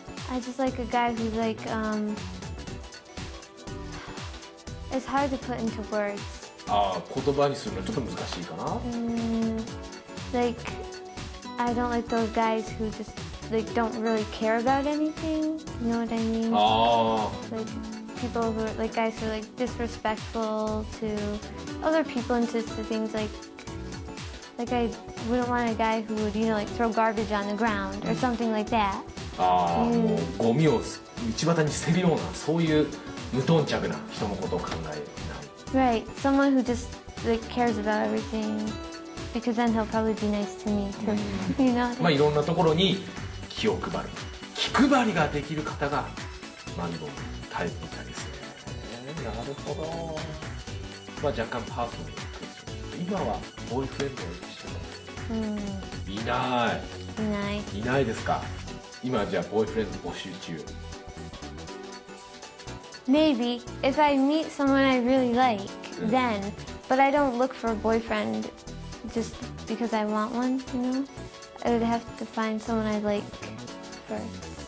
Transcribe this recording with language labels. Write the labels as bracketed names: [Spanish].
[English] I just like a guy who's like, it's hard to put into words. [Japanese] ああ、言葉にするのちょっと難しいかな。 [English] Like, I don't like those guys who just, like, don't really care about anything. You know what I mean? Like, people who are, like, guys who are, like, disrespectful to... Other people into things like I wouldn't want a guy who would, you know, like throw garbage on the ground or something like that. [Japanese] ゴミを道端に捨てるようなそういう無頓着な人のことを考えない。 [English] Right, someone who just like cares about everything, because then he'll probably be nice to me too. You know. [Japanese] まあいろんなところに気を配る、気配りができる方がマンゴータイプみたいですね。なるほど。まあ、若干パーソナル。今はボーイフレンドをしてます。いないですか。今じゃあボーイフレンド募集中。 [English] Maybe if I meet someone I really like, then. But I don't look for a boyfriend just because I want one, you know. I would have to find someone I like first.